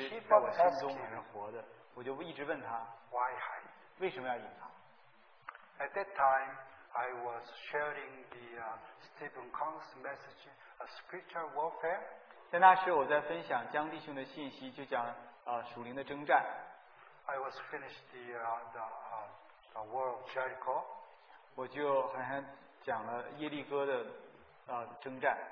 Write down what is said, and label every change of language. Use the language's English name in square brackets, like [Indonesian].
[Chinese] 自从那个命令哈临到我哈，就一直在我心中还是活的。我就一直问他。 [English] Why hide? [Chinese] 为什么要隐藏? [English] At that time, I was sharing the Stephen Kong's message, spiritual warfare. [Chinese] 在那时我在分享江弟兄的信息，就讲属灵的征战。 [English] I was finished the war of Jericho. [Chinese] 我就好像讲了耶利哥的征战。